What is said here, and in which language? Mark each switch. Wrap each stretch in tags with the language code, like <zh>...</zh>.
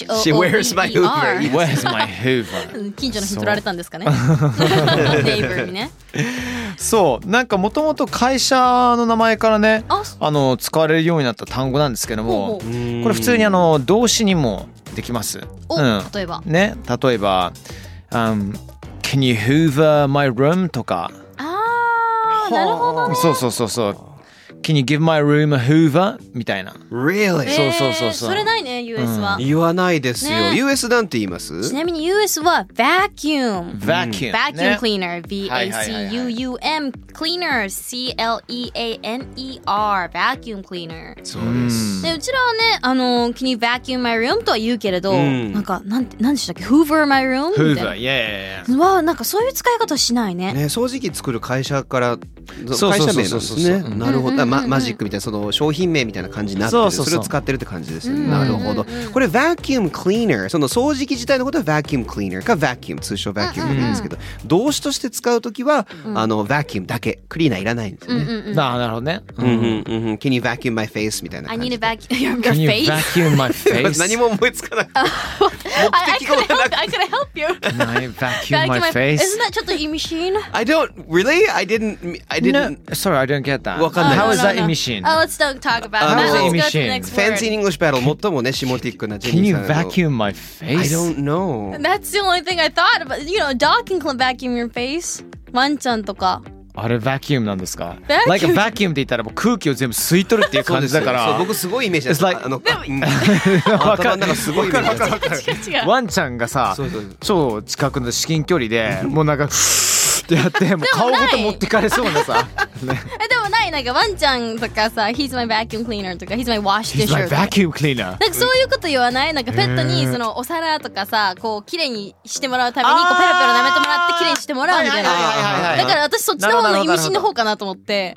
<en>She wears my Hoover. Where's my Hoover?</en> <ja>近所の人取られたんですかね。ネイバーにね。そう、なんかもともと会社の名前からね、使われるようになった単語なんですけども、ほうほう、これ普通に動詞にもできます。お、うん、例えば。</ja> <en>ね、例えば、Can you Hoover my room?</en> <ja>とか。なるほど、ね、そうそうそうそう。</ja> <en>Can you give my room a Hoover?</en> <ja>みたいな。</ja> <en>Really?</en> <ja>そうそうそうそう。それないね、US は。うん、言わないですよ。ね、US なんて言います？ちなみに US は vacuum。</ja> <en>vacuum。 vacuum cleaner、ね。V-A-C-U-U-M cleaner。 C-L-E-A-N-E-R。 vacuum cleaner。</en> <ja>そうです。で、うちらはね、</ja> <en>Can you vacuum my room?</en> <ja>とは言うけれど、うん、なんか、なんでしたっけ ?</ja> <en>Hoover my room? Hoover、yeah, yeah, yeah.</en> <ja>は、なんかそういう使い方しないね。ね、掃除機作る会社から、会社名なんですね。なるほど。うんうんうん、マジックみたいなその商品名みたいな感じになってる、そうそうそそれを使ってるって感じですね、うんうんうん、なるほど。これ vacuum cleaner、 その掃除機自体のことは vacuum cleaner か vacuum、 通称 vacuum なんですけど、うんうんうん、動詞として使うときは、うん、vacuum だけ、クリーナーいらないんですよね、うんうんうん、なるほどね、</ja> <en>うんうんうん、Can you vacuum my face?</en> <ja>みたいな感じ。</ja> <en>I need a vacuum your face? Can you vacuum my face?</en> <ja>何も思いつかなくて、</ja> <en>I could help you. vacuum my face? Isn't that</en> <ja>ちょっと意味深</ja> <en>い？I didn't No, sorry, I don't get that.</en> <ja>わかんない。</ja> <en>How is that emission? Oh, let's don't talk about it. How is that emission? Fancy English battle.</en> <ja>最もね、シモティックなジェニーさん。</ja> <en>Can you vacuum my face? I don't know. That's the only thing I thought about. You know, a dog can vacuum your face.</en> <ja>ワンちゃんとか。あれ vacuum なんですか。</ja> <en>Like a vacuum</en> <ja>って言ったらもう空気を全部吸い取るっていう感じだから。そう、僕すごいイメージだった。あの、でも、頭の中すごいイメージだった。違う。ワンちゃんがさ、超近くの至近距離で、もうなんかフーってやって、もう顔ごと持ってかれそうなさ。なんかワンちゃんとかさ</ja> <en>He's my vacuum cleaner</en> <ja>とか</ja> <en>He's my wash dish He's my vacuum cleaner</en> <ja>なんかそういうこと言わない？なんかペットにそのお皿とかさこうきれいにしてもらうためにこうペラペラ舐めてもらってきれいにしてもらうみたいな。だから私そっちの方の意味深の方かなと思って。</ja>